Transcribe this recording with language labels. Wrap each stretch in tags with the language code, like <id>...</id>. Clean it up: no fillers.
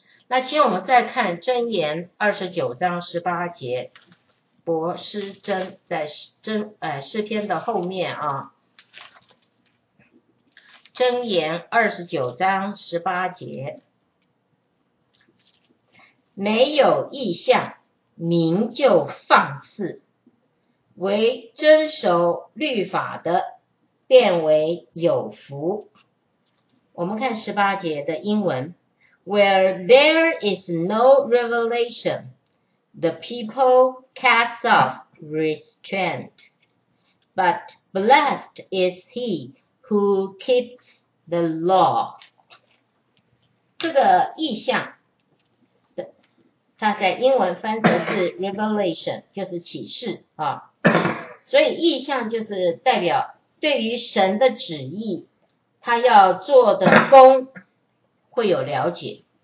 <zh>那请我们再看箴言29:18，博诗箴在诗篇的后面啊，箴言29:18。没有意象，民就放肆；唯遵守律法的，变为有福。</zh> <en>我们看18的英文 ：Where there is no revelation, the people casts off restraint. But blessed is he who keeps the law.</en> <zh>这个意象。它在英文翻成是 revelation， 就是启示啊。所以意象就是代表对于神的旨意，他要做的功会有了解。</zh>